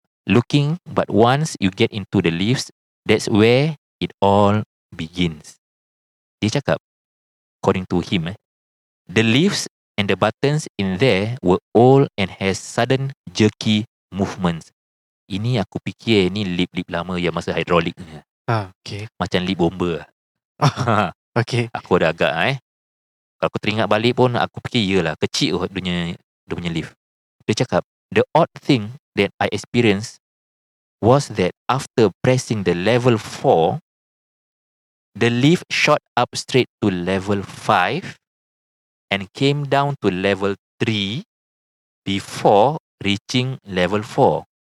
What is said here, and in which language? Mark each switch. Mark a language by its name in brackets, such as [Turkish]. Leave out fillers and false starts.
[English] Looking, but once you get into the lifts, that's where it all begins. [Malay] Dia cakap, [English] according to him, the lifts and the buttons in there were old and has sudden jerky movements. [Malay] Ini aku fikir, ni lip-lip lama yang masa hidrolik ni. [English] Okay. [Malay] Macam lip bomba. [English] Okay. [Malay] Aku ada agak Kalau aku teringat balik pun, aku fikir iyalah, kecil kot dunia lift. Dia cakap, [English] the odd thing that I experienced was that after pressing the level 4, the lift shot up straight to level 5 and came down to level 3 before reaching level 4.